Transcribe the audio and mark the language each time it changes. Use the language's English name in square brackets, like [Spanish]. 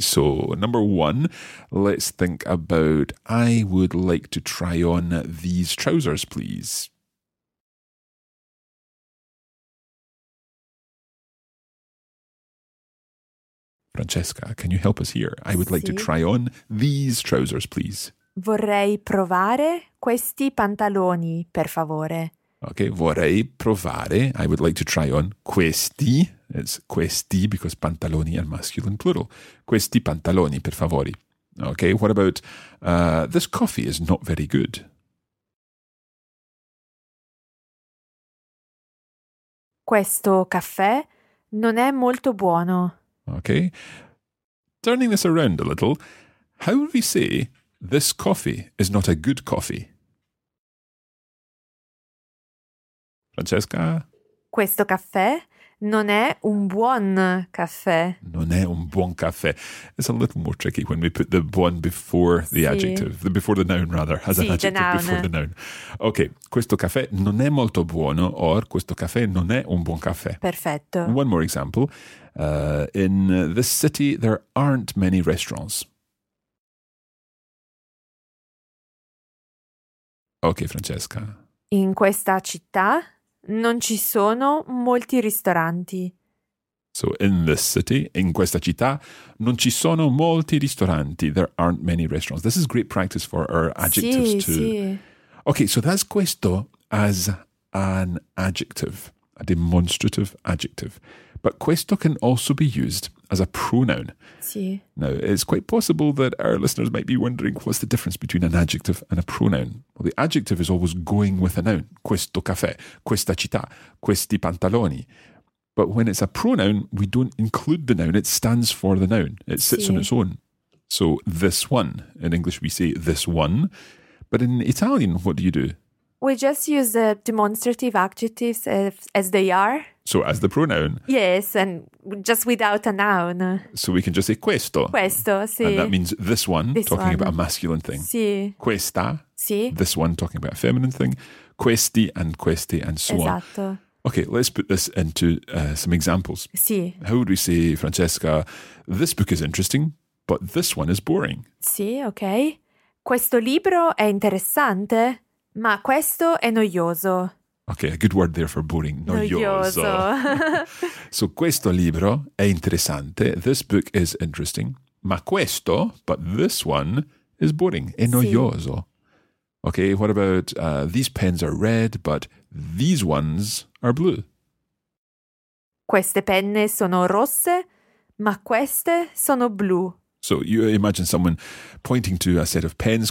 [English] So number one, let's think about, I would like to try on these trousers, please. Francesca, can you help us here? I would like to try on these trousers, please. [Italian] Vorrei provare questi pantaloni, per favore. Okay, vorrei provare. [English] I would like to try on questi. It's questi because pantaloni are masculine plural. [Italian] Questi pantaloni, per favore. [English] Okay, what about this coffee is not very good. [Italian] Questo caffè non è molto buono. [English] Okay, turning this around a little, how would we say this coffee is not a good coffee? Francesca? [Italian] Questo caffè Non è un buon caffè. Non è un buon caffè. [English] It's a little more tricky when we put the buon before the adjective, before the noun rather, as an adjective the before the noun. [Italian] Ok, questo caffè non è molto buono, or questo caffè non è un buon caffè. Perfetto. [English] One more example. In this city there aren't many restaurants. Ok, Francesca. [Italian] In questa città non ci sono molti ristoranti. [English] So in this city, [Italian] in questa città, non ci sono molti ristoranti. [English] There aren't many restaurants. This is great practice for our adjectives too. [Italian] Sì. [English] Okay, so that's questo as an adjective, a demonstrative adjective. But questo can also be used as a pronoun. [Italian] Sì. [English] Now, it's quite possible that our listeners might be wondering what's the difference between an adjective and a pronoun. Well, the adjective is always going with a noun. [Italian] Questo caffè, questa città, questi pantaloni. [English] But when it's a pronoun, we don't include the noun. It stands for the noun. It sits on its own. So this one, in English we say this one. But in Italian, what do you do? We just use the demonstrative adjectives as they are. So as the pronoun. Yes, and just without a noun. So we can just say questo. [Italian] Questo, sì. [English] And that means this one, this talking one. About a masculine thing. [Italian] Sì. Questa. Sì. [English] This one, talking about a feminine thing. Questi and questi and so [Italian] esatto. [English] on. [Italian] Esatto. [English] Okay, let's put this into some examples. [Italian] Sì. [English] How would we say, Francesca, this book is interesting, but this one is boring? [Italian] Sì, okay. Questo libro è interessante, ma questo è noioso. [English] Okay, a good word there for boring. [Italian] Noioso. So questo libro è interessante. [English] This book is interesting. [Italian] Ma questo, [English] but this one, is boring. [Italian] È noioso. Sì. [English] Okay, what about these pens are red, but these ones are blue. [Italian] Queste penne sono rosse, ma queste sono blu. [English] So you imagine someone pointing to a set of pens.